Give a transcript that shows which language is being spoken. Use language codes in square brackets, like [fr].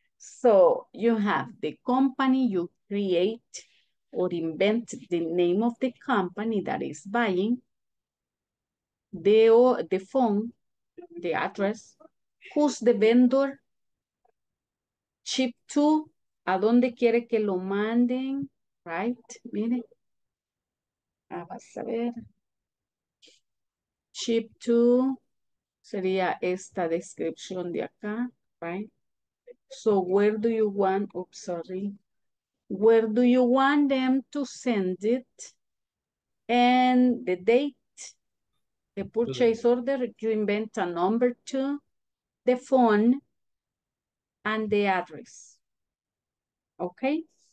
[en] So you have the company, you create or invent the name of the company that is buying, the phone, the address, who's the vendor, ship to, [es] a donde quiere que lo manden, [en] right? [es] Mire. Ah, vas a ver. [en] Ship to, [es] sería esta descripción de acá, [en] right? So where do you want, oops, sorry. Where do you want them to send it? And the date, the purchase order, you invent a number to, the phone, and the address. Okay.